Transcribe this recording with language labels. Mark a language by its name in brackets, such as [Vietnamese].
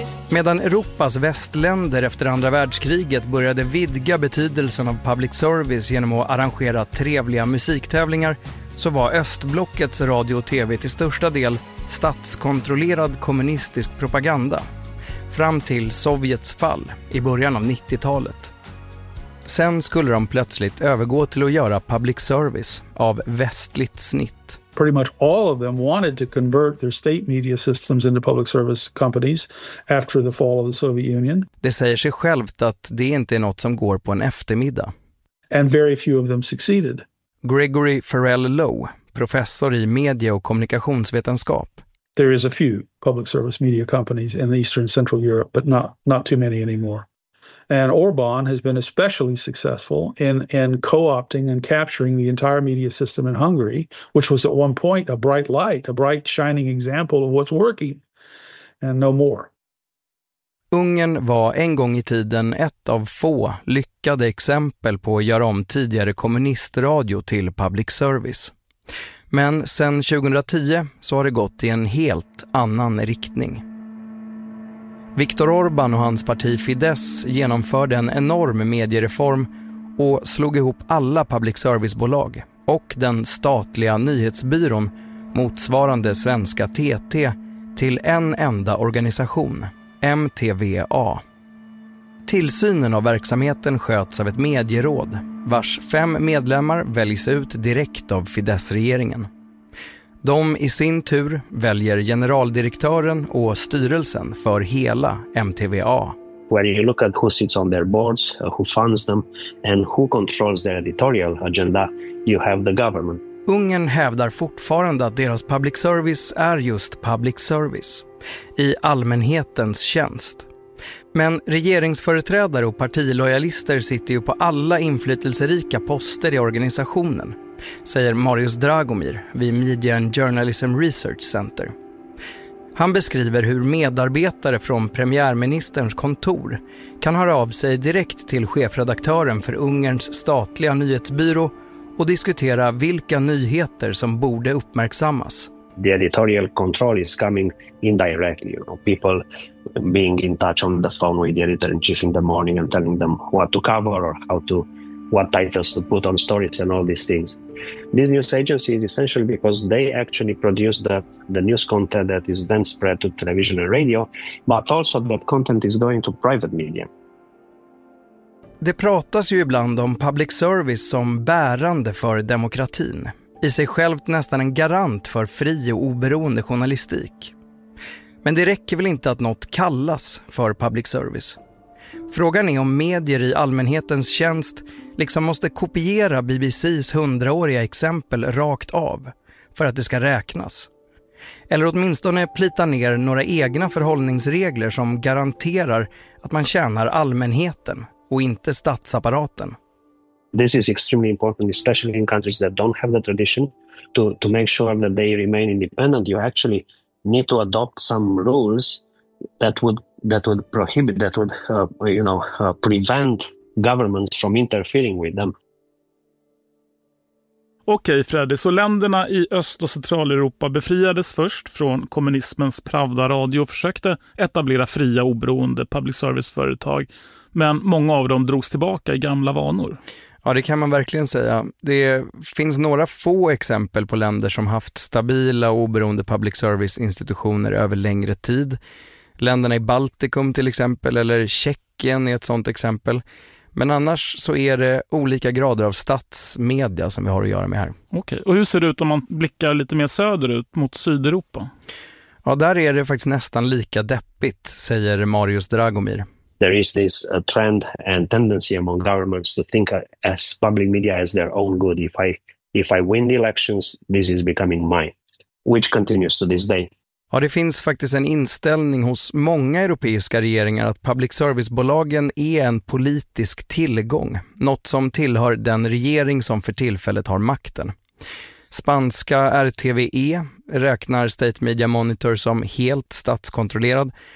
[Swedish] Medan Europas västländer efter andra världskriget började vidga betydelsen av public service genom att arrangera trevliga musiktävlingar, så var östblockets radio och tv till största del statskontrollerad kommunistisk propaganda, fram till Sovjets fall i början av 90-talet. Sen skulle de plötsligt övergå till att göra public service av västligt snitt. [English] Pretty much all of them wanted to convert their state media systems into public service companies after the fall of the Soviet Union. [Swedish] Det säger sig självt att det inte är något som går på en eftermiddag. [English] And very few of them succeeded. [Swedish] Gregory Farrell Lowe, professor i media- och kommunikationsvetenskap. [English] There is a few public service media companies in Eastern Central Europe, but not too many anymore. And Orbán has been especially successful in co-opting and capturing the entire media system in Hungary, which was at one point a bright light, a bright shining example of what's working, and no more. [Swedish] Ungern var en gång i tiden ett av få lyckade exempel på att göra om tidigare kommunistradio till public service. Men sedan 2010 så har det gått i en helt annan riktning. Viktor Orbán och hans parti Fidesz genomförde en enorm mediereform och slog ihop alla public service-bolag och den statliga nyhetsbyrån motsvarande svenska TT till en enda organisation, MTVA. Tillsynen av verksamheten sköts av ett medieråd vars 5 medlemmar väljs ut direkt av Fidesz-regeringen. De i sin tur väljer generaldirektören och styrelsen för hela MTVA. [English] When you look at who sits on their boards, who funds them and who controls their editorial agenda, you have the government. [Swedish] Ungern hävdar fortfarande att deras public service är just public service, i allmänhetens tjänst. Men regeringsföreträdare och partilojalister sitter ju på alla inflytelserika poster i organisationen, säger Marius Dragomir vid Media and Journalism Research Center. Han beskriver hur medarbetare från premiärministerns kontor kan höra av sig direkt till chefredaktören för Ungerns statliga nyhetsbyrå och diskutera vilka nyheter som borde uppmärksammas. [English] The editorial control is coming indirectly. You know, people being in touch on the phone with the editor in chief in the morning and telling them what to cover or how to, what titles to put on stories and all these things. This news agency is essential because they actually produce the news content that is then spread to television and radio, but also that content is going to private media. [Swedish] Det pratas ju ibland om public service som bärande för demokratin, i sig självt nästan en garant för fri och oberoende journalistik. Men det räcker väl inte att något kallas för public service? Frågan är om medier i allmänhetens tjänst liksom måste kopiera BBCs 100-åriga exempel rakt av för att det ska räknas. Eller åtminstone plita ner några egna förhållningsregler som garanterar att man tjänar allmänheten och inte statsapparaten. [English] this is extremely important, especially in countries that don't have the tradition, to make sure that they remain independent. You actually need to adopt some rules that would prohibit, prevent governments from interfering with them. [Swedish] Okej, Freddy, så länderna i Öst- och Centraleuropa befriades först från kommunismens Pravda-radio och försökte etablera fria, oberoende public service-företag. Men många av dem drogs tillbaka i gamla vanor. Ja, det kan man verkligen säga. Det finns några få exempel på länder som haft stabila och oberoende public service-institutioner över längre tid. Länderna i Baltikum till exempel, eller Tjeckien är ett sånt exempel. Men annars så är det olika grader av statsmedia som vi har att göra med här. Okej, och hur ser det ut om man blickar lite mer söderut mot Sydeuropa? Ja, där är det faktiskt nästan lika deppigt, säger Marius Dragomir. [English] There is this trend and tendency among governments to think as public media as their own good. If I win the elections, this is becoming mine, which continues to this day. [Swedish] Ja, det finns faktiskt en inställning hos många europeiska regeringar att public service-bolagen är en politisk tillgång. Något som tillhör den regering som för tillfället har makten. Spanska RTVE räknar State Media Monitor som helt statskontrollerad.